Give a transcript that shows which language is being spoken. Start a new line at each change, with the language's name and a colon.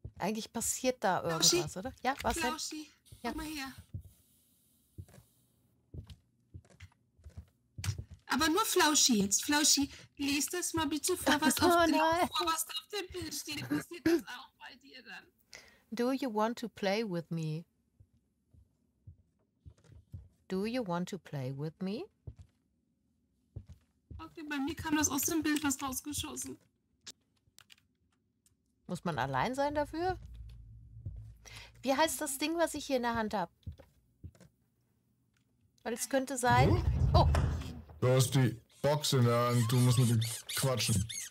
German: Eigentlich passiert da irgendwas, Klauschi. Oder? Ja, was denn? Klauschi, komm ja. Mal her. Aber nur Flauschi jetzt. Flauschi, lest das mal bitte vor, was, auf, dem, vor, was auf dem Bild steht. Passiert das auch bei dir dann?
English: Do you want to play with me? Do you want to play with me?
German: Okay, bei mir kam das aus dem Bild was rausgeschossen. Muss man allein sein dafür? Wie heißt das Ding, was ich hier in der Hand habe? Weil es könnte sein... Oh! Du hast die Box in der Hand, du musst mit dir quatschen.